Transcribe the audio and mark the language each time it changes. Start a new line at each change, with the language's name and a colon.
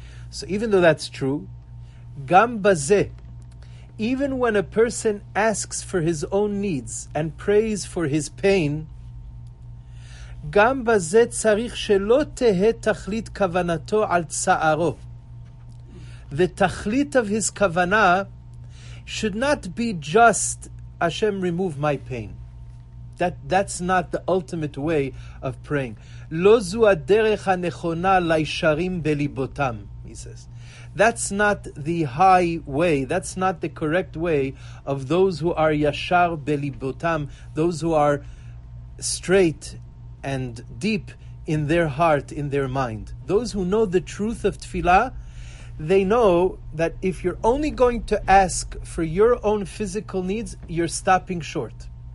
English: So even though that's true, gam bazeh, even when a person asks for his own needs and prays for his pain, גם בזה צריך שלא תהא תכלית כוונתו על צערו. The תכלית of his כוונה should not be just Hashem remove my pain. That's not the ultimate way of praying.
Hebrew: לא זו הדרך הנכונה לישרים בליבותם, he says.
English: That's not the high way, that's not the correct way of those who are yashar belibotam, those who are straight and deep in their heart, in their mind. Those who know the truth of tefillah, they know that if you're only going to ask for your own physical needs, you're stopping short.